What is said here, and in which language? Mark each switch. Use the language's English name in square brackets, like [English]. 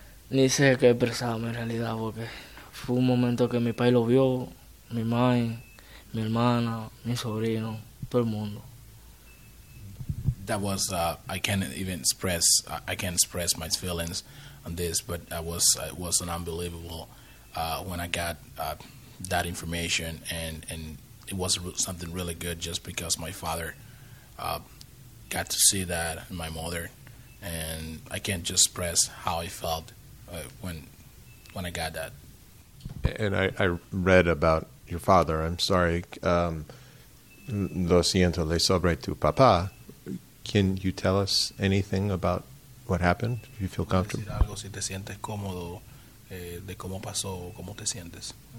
[Spanish] Ni sé qué expresarme en realidad, porque fue un momento que mi padre lo vio, mi madre, mi hermana, mi sobrino, todo el mundo. [English] That was, I can't even express, I can't express my feelings on this, but it was an unbelievable when I got that information, and it was something really good just because my father got to see that, and my mother, and I can't just express how I felt when I got that. And I read about your father. I'm sorry. [Spanish] Lo siento, le sobre tu papá. [English] Can you tell us anything about what happened? Do you feel comfortable? [Spanish] Decir algo si te sientes cómodo de cómo pasó o cómo te sientes.